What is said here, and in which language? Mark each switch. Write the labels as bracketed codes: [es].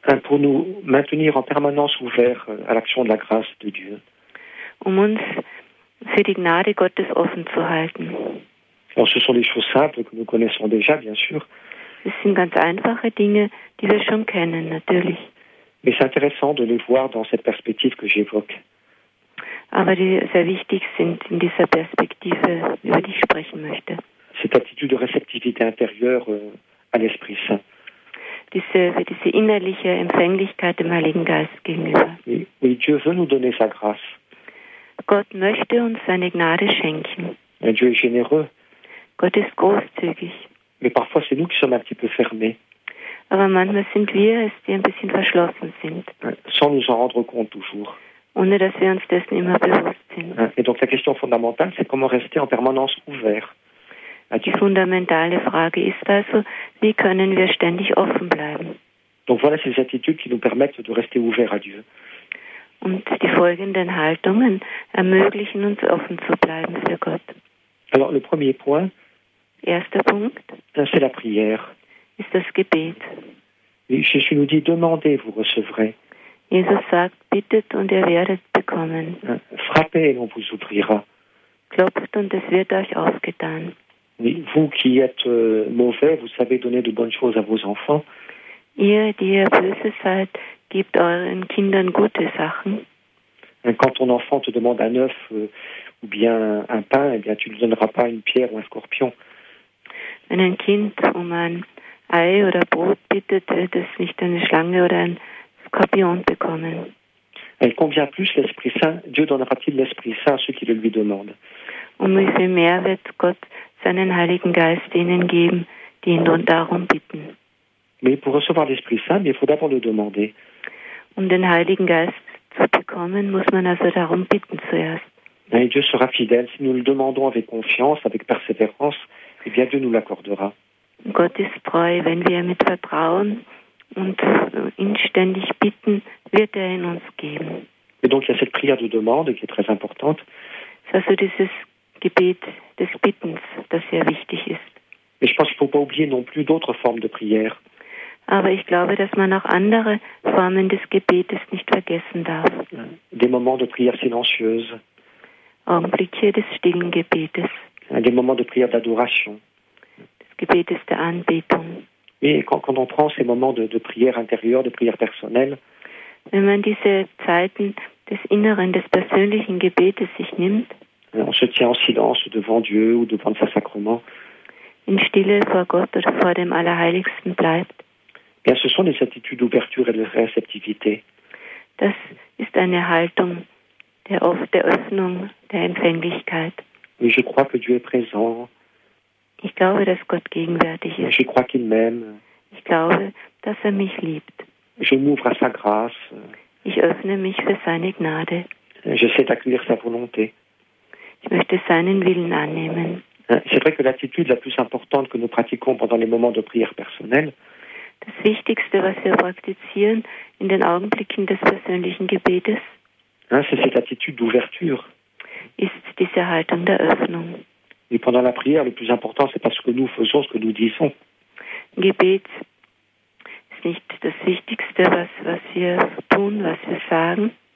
[fr] Pour nous maintenir en permanence ouverts à l'action de la grâce de Dieu. [de] Um uns für die Gnade Gottes offen zu halten. [fr] Alors, ce sont des choses simples que nous connaissons déjà, bien sûr. [de] Es sind ganz einfache Dinge, die wir schon kennen, natürlich. [fr] Mais c'est intéressant de les voir dans cette perspective que j'évoque. [de] Aber die sehr wichtig sind in dieser Perspektive, über die ich sprechen möchte. [fr] Cette attitude de réceptivité intérieure à l'Esprit Saint. [de] Diese innerliche Empfänglichkeit dem Heiligen Geist gegenüber. [fr] Oui, Dieu veut nous donner sa grâce. [de] Gott möchte uns seine Gnade schenken. [fr] Et Dieu est généreux. [de] Gott ist großzügig. [fr] Mais parfois c'est nous qui sommes un petit peu fermés. [de] Aber manchmal sind wir es, die ein bisschen verschlossen sind. [fr] Sans nous en rendre compte toujours. [de] Ohne dass wir uns dessen immer bewusst sind. [fr] Et donc la question fondamentale, c'est comment rester en permanence ouvert. [de] Die fundamentale Frage ist also, wie können wir ständig offen bleiben? [fr] Donc voilà ces attitudes qui nous permettent de rester ouverts à Dieu. [de] Und die folgenden Haltungen ermöglichen uns, offen zu bleiben für Gott. [fr] Alors le premier point. [de] Erster Punkt. [fr] C'est la prière. [de] Ist das Gebet. [fr] Jésus nous dit, demandez, vous recevrez. [de] Jesus sagt, bittet und ihr werdet bekommen. [fr] Frappez et on vous ouvrira. [de] Klopft und es wird euch aufgetan. [fr] Oui, vous qui êtes mauvais, vous savez donner de bonnes choses à vos enfants. [de] Ihr, die ihr böse seid, gebt euren Kindern gute Sachen. [fr] Quand ton enfant te demande un œuf ou bien un pain, eh bien tu ne lui donneras pas une pierre ou un scorpion. [de] Wenn ein Kind um ein Ei oder Brot bittet, wird es nicht eine Schlange oder ein Skorpion bekommen. [fr] Et combien plus l'Esprit Saint, Dieu donnera-t-il l'Esprit Saint à ceux qui le lui demandent? [de] Um wie viel mehr wird Gott seinen Heiligen Geist ihnen geben, die ihn nun darum bitten. [fr] Mais pour recevoir l'Esprit Saint, il faut d'abord le demander. [de] Um den Heiligen Geist zu bekommen, muss man also darum bitten zuerst. [fr] Et Dieu sera fidèle si nous le demandons avec confiance, avec persévérance, et bien Dieu nous l'accordera. [de] Gott ist treu, wenn wir mit Vertrauen und inständig bitten, wird ihn uns geben. [fr] Et donc il y a cette prière de demande qui est très importante. [de] Also dieses Gebet des Bittens, das sehr wichtig ist. [fr] Mais je pense qu'il ne faut pas oublier non plus d'autres formes de prière. [de] Aber ich glaube, dass man auch andere Formen des Gebetes nicht vergessen darf. [fr] Des moments de prière silencieuse. [de] Augenblicke des stillen Gebetes. [fr] Des moments de prière d'adoration. [de] Des Gebetes der Anbetung. [fr] Et quand on prend ces moments de prière intérieure, de prière personnelle. [de] Wenn man diese Zeiten des inneren, des persönlichen Gebetes sich nimmt. [fr] On se tient en silence devant Dieu ou devant le Saint-Sacrement. [de] In Stille vor Gott oder vor dem Allerheiligsten bleibt. [fr] Bien, ce sont des attitudes d'ouverture et de réceptivité. [de] Das ist eine Haltung der Öffnung, der Empfänglichkeit. [fr] Oui, je crois que Dieu est présent. [de] Ich glaube, dass Gott gegenwärtig ist. [fr] Je crois qu'il m'aime. [de] Ich glaube, dass mich liebt. [fr] Je m'ouvre à sa grâce. [de] Ich öffne mich für seine Gnade. [fr] J'essaie d'accueillir sa volonté. [de] Ich möchte seinen Willen annehmen. [fr] C'est vrai que l'attitude la plus importante que nous pratiquons pendant les moments de prière personnelle. [de] Das Wichtigste, was wir praktizieren in den Augenblicken des persönlichen Gebetes. [fr] C'est cette attitude d'ouverture. [de] Ist diese Haltung der Öffnung. [fr] Et pendant la prière, le plus important, c'est pas ce que nous faisons, ce que nous disons. [de] Gebet ist nicht das Wichtigste, was wir tun, was wir sagen.